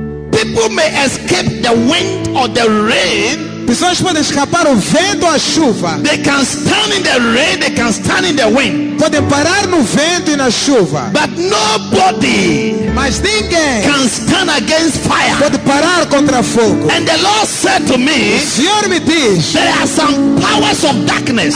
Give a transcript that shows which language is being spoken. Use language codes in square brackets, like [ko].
[en] People may escape the wind or the rain. [pt] Pessoas podem escapar o vento ou a chuva. [en] They can stand in the rain, they can stand in the wind. [pt] Podem parar no vento e na chuva. [en] But nobody, [pt] mas ninguém, [en] can stand against fire. [pt] Pode parar contra fogo. [en] And the Lord said to me, [pt] o Senhor me diz, [en] there are some powers of darkness.